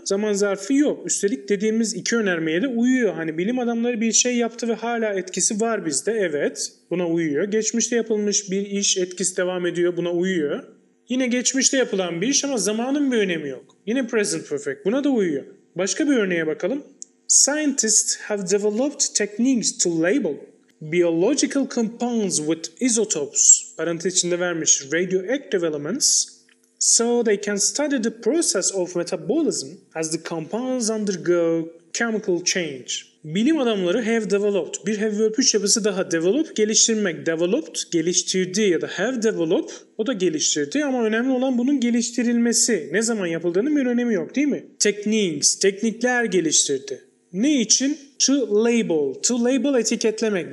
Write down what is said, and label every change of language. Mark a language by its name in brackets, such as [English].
[Turkish] Zaman zarfı yok. Üstelik dediğimiz iki önermeye de uyuyor. Hani bilim adamları bir şey yaptı ve hala etkisi var bizde. Evet, buna uyuyor. Geçmişte yapılmış bir iş etkisi devam ediyor. Buna uyuyor. Yine geçmişte yapılan bir iş ama zamanın bir önemi yok. Yine present perfect. Buna da uyuyor. Başka bir örneğe bakalım. [English] Scientists have developed techniques to label biological compounds with isotopes. [Turkish] Parantez içinde vermiş. [English] Radioactive elements. So they can study the process of metabolism as the compounds undergo chemical change. [Turkish] Bilim adamları have developed. Bir have verb 3 yapısı daha. Develop, geliştirmek. Developed, geliştirdi ya da have developed, o da geliştirdi. Ama önemli olan bunun geliştirilmesi. Ne zaman yapıldığının bir önemi yok değil mi? Techniques, teknikler geliştirdi. Ne için? To label. To label etiketlemek.